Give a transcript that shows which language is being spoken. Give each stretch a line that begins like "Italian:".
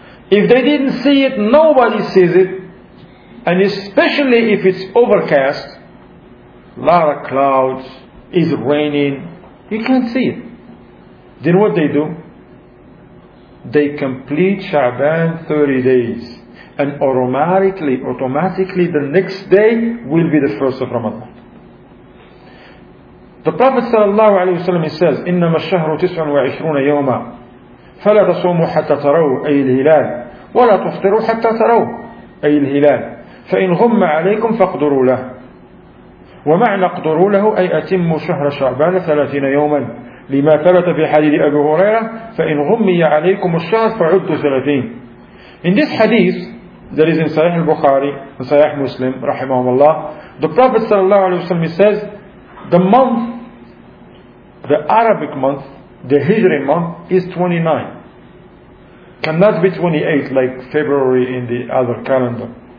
English: If they didn't see it, nobody sees it, and especially if it's overcast, a lot of clouds, it's raining, you can't see it. Then what they do? They complete Sha'ban 30 days, and automatically the next day will be the first of Ramadan.
Arabic: The Prophet sallallahu alaihi wasallam,
English: he says,
Arabic: إِنَّمَا الشَّهْرُ تِسْعًا وَعِشْرُونَ يَوْمًا فَلَا تَصُومُوا حَتَّى تَرَوْا أَيِّ الْهِلَالِ وَلَا تُفْطِرُوا حَتَّى تَرَوْا أَيِّ الْهِلَالِ فَإِنْ غُمَّ عَلَيْكُمْ فَاقْدُرُوا لَهُ وَمَعْنَى اقْدُرُوا لَهُ أَيْ أَتِمُّوا شَهْرَ شَعْبَانَ 30 يَوْمًا لما ثبت في حديث أبي هريرة فإن غمي عليكم الشهر فعدوا 30.
English: In this hadith that is in Sahih al-Bukhari and Sahih Muslim, rahimahumullah, the Prophet ﷺ says, the month, the Arabic month, the Hijri month, is 29. Cannot be 28 like February in the other calendar.